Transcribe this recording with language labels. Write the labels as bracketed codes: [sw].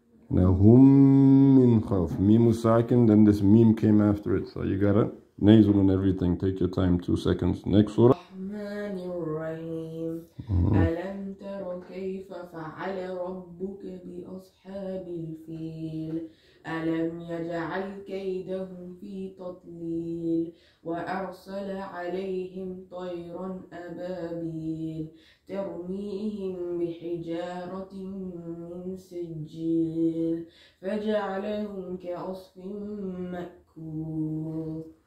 [en] Now [ar] هم من خوف. ميم ساكن. [en] Then this ميم came after it. So you gotta nasal and everything. Take your time. 2 seconds. Next surah. [ar] الرحمن الرحيم. ألم تر كيف فعل ربك بأصحاب الفيل ألم يجعل كيدهم في تضليل وأرسل عليهم طيرا أبابيل ترميهم بحجارة من سجيل فجعلهم كعصف مأكول.